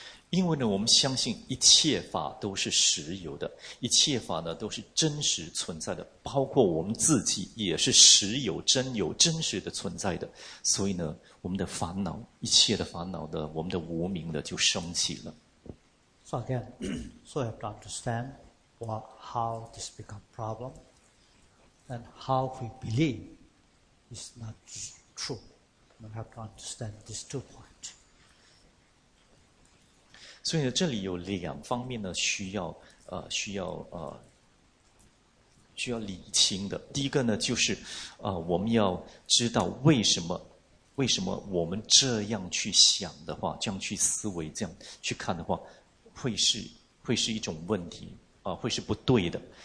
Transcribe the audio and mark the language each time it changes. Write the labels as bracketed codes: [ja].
[zh] 因为呢，我们相信一切法都是实有的，一切法呢都是真实存在的，包括我们自己也是实有、真有、真实的存在的。所以呢，我们的烦恼，一切的烦恼呢，我们的无明呢就升起了。 [en] So again, so you have to understand what, how this become problem, and how we believe is not true. You have to understand these two points. [zh] 所以呢，这里有两方面呢，需要理清的。第一个呢，就是我们要知道为什么我们这样去想的话，这样去思维，这样去看的话，会是一种问题会是不对的。